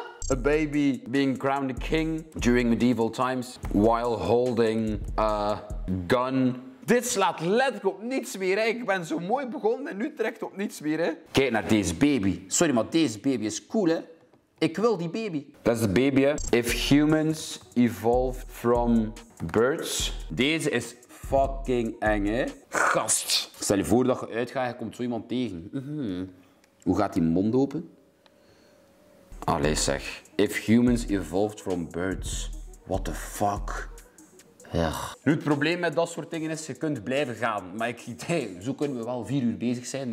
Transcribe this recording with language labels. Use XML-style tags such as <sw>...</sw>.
<en>A baby being crowned a king during medieval times while holding a gun.</en> <nl>Dit slaat letterlijk op niets meer. Hè. Ik ben zo mooi begonnen en nu trekt op niets meer. Hè. Kijk naar deze baby. Sorry, maar deze baby is cool, hè? Ik wil die baby. Dat is de baby, hè?</nl> <en>If humans evolved from birds.</en> <nl>Deze is fucking eng, hè? Gast. Stel je voor dat je uitgaat en komt zo iemand tegen. Hoe gaat die mond open? Allee zeg,</nl> <en>if humans evolved from birds, what the fuck?</en> <nl>Ja. Nu, het probleem met dat soort dingen is, je kunt blijven gaan. Maar zo kunnen we wel 4 uur bezig zijn.</nl>